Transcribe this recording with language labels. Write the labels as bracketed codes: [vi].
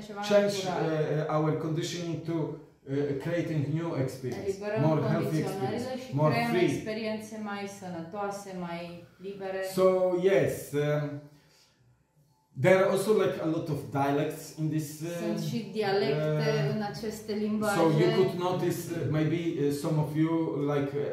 [en] change our conditioning to creating new experience, more healthy experience, more free. [ro] Experiențe mai sănătoase, mai libere. [en] So yes, there are also like a lot of dialects in this. [ro] Sunt și dialecte în aceste limbaje. [en] So you could notice maybe some of you like.